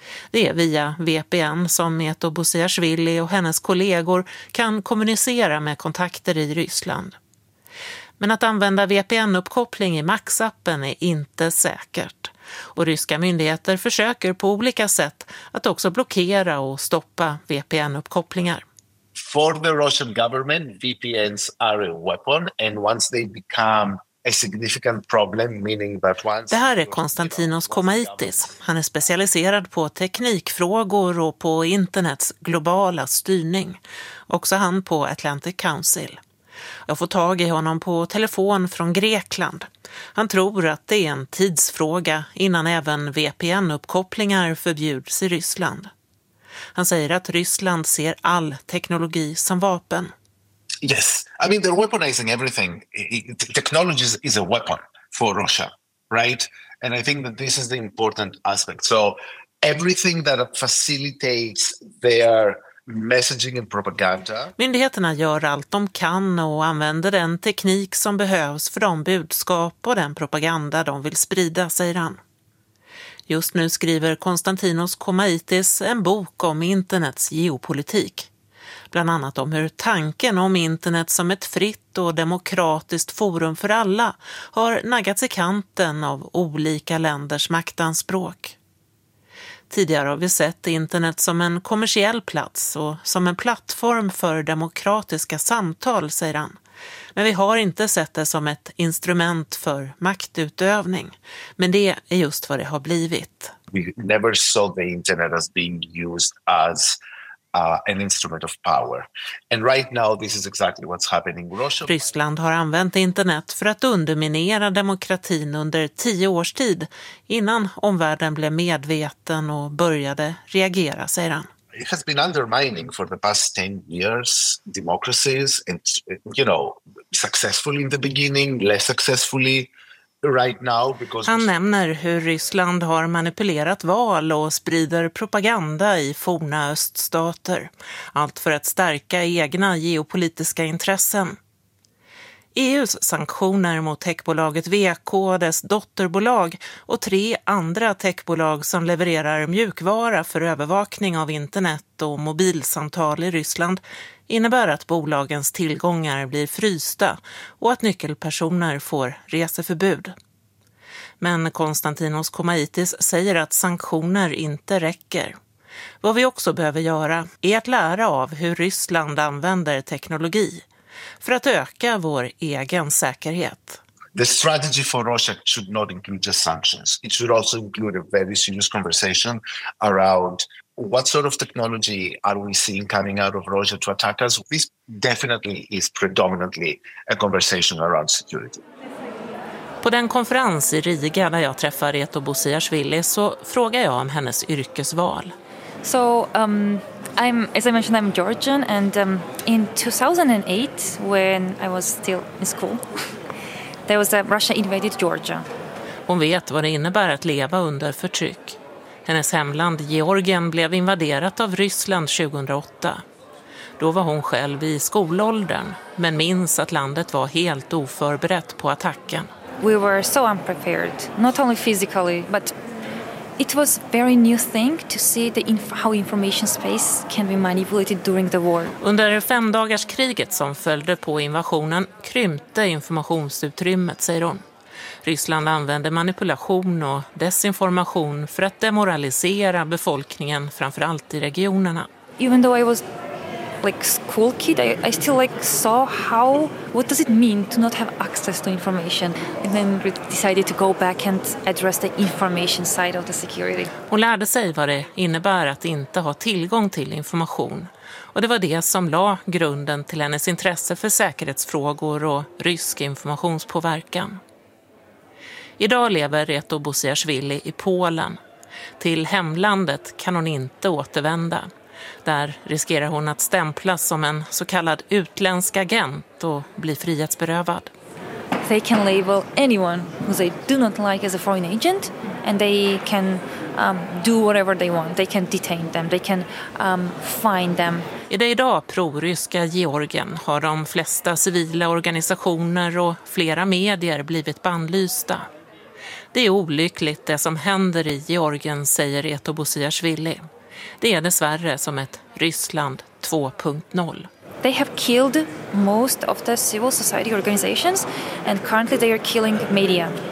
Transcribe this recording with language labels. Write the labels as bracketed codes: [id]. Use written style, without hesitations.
[sv] Det är via VPN som Eto Bosiashvili och hennes kollegor kan kommunicera med kontakter i Ryssland. Men att använda VPN-uppkoppling i Max-appen är inte säkert. Och ryska myndigheter försöker på olika sätt att också blockera och stoppa VPN-uppkopplingar. [en] For the Russian government, VPNs are a weapon, and once they become a significant problem, meaning that once... [sv] Det här är Konstantinos Komaitis. Han är specialiserad på teknikfrågor och på internets globala styrning. Också han på Atlantic Council. Jag får tag i honom på telefon från Grekland. Han tror att det är en tidsfråga innan även VPN-uppkopplingar förbjuds i Ryssland. Han säger att Ryssland ser all teknologi som vapen. [en] Yes, I mean they're weaponizing everything. Technology is a weapon for Russia, right? And I think that this is the important aspect. So everything that facilitates their messaging and propaganda. [sv] Myndigheterna gör allt de kan och använder den teknik som behövs för de budskap och den propaganda de vill sprida, säger han. Just nu skriver Konstantinos Komaitis en bok om internets geopolitik. Bland annat om hur tanken om internet som ett fritt och demokratiskt forum för alla har naggats i kanten av olika länders maktanspråk. Tidigare har vi sett internet som en kommersiell plats och som en plattform för demokratiska samtal, säger han. Men vi har inte sett det som ett instrument för maktutövning. Men det är just vad det har blivit. [en] We never saw the internet as being used as an instrument of power. And right now this is exactly what's happening in Russia. [sv] Ryssland har använt internet för att underminera demokratin under 10 års tid innan omvärlden blev medveten och började reagera, säger han. [en] It has been undermining for the past 10 years democracies, and you know, successful in the beginning, less successfully right now because... [sv] Han nämner hur Ryssland har manipulerat val och sprider propaganda i forna öststater, allt för att stärka egna geopolitiska intressen. EUs sanktioner mot techbolaget VK, dess dotterbolag och 3 andra techbolag som levererar mjukvara för övervakning av internet och mobilsamtal i Ryssland innebär att bolagens tillgångar blir frysta och att nyckelpersoner får reseförbud. Men Konstantinos Komaitis säger att sanktioner inte räcker. Vad vi också behöver göra är att lära av hur Ryssland använder teknologi för att öka vår egen säkerhet. [en] The strategy for Russia should not include just sanctions. It should also include a very serious conversation around what sort of technology are we seeing coming out of Russia to attack us. This definitely is predominantly a conversation around security. [sv] På den konferens i Riga när jag träffar Reto Bosiashvili så frågar jag om hennes yrkesval. [en] So, as I mentioned, I'm Georgian, and in 2008, when I was still in school, there was a Russia invaded Georgia. [sv] Hon vet vad det innebär att leva under förtryck. Hennes hemland Georgien blev invaderat av Ryssland 2008. Då var hon själv i skolåldern, men minns att landet var helt oförberett på attacken. [en] We were so unprepared, not only physically, but it was very new thing to see how information space can be manipulated during the war. [sv] Under femdagarskriget som följde på invasionen krympte informationsutrymmet, säger hon. Ryssland använde manipulation och desinformation för att demoralisera befolkningen, framförallt i regionerna. [en] Even though I was like school kid, I still like saw how what does it mean to not have access to information, and then decided to go back and address the information side of the security. [sv] Hon lärde sig vad det innebär att inte ha tillgång till information, och det var det som la grunden till hennes intresse för säkerhetsfrågor och rysk informationspåverkan. Idag lever Reto Bosiashvili i Polen. Till hemlandet kan hon inte återvända. Där riskerar hon att stämplas som en så kallad utländsk agent och bli frihetsberövad. [en] They can label anyone who they do not like as a foreign agent, and they can do whatever they want. They can detain them. They can fine them. [sv] I det idag proryska Georgien har de flesta civila organisationer och flera medier blivit bannlysta. Det är olyckligt det som händer i Georgien, säger Reto Bosiashvili. Det är dessvärre som ett Ryssland 2.0. [en] They have killed most of the civil society organizations, and currently they are killing media.